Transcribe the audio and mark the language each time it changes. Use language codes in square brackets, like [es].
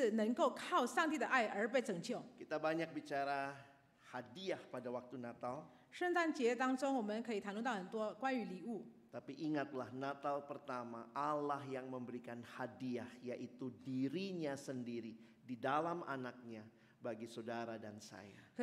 [zh] 我们这些罪人只是能够靠上帝的爱而被拯救。 [id] Kita banyak bicara hadiah pada waktu Natal. [zh] 圣诞节当中，我们可以谈论到很多关于礼物。 [id] Tapi ingatlah Natal pertama Allah yang memberikan hadiah yaitu dirinya sendiri di dalam anaknya bagi saudara dan saya.